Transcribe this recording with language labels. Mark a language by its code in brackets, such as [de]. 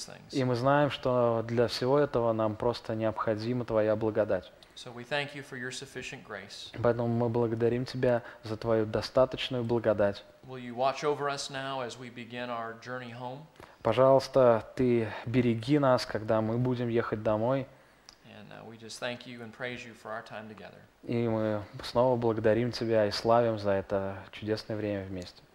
[ru] И мы знаем, что для всего этого нам просто необходима Твоя благодать. [en] So we thank you for your sufficient grace. [ru] Поэтому мы благодарим Тебя за Твою достаточную благодать. [en] Will you watch over us now as we begin our journey home? [ru] Пожалуйста, Ты береги нас, когда мы будем ехать домой. [en] We just thank you and praise you for our time together. [ru] И мы снова благодарим тебя и славим за это чудесное время вместе.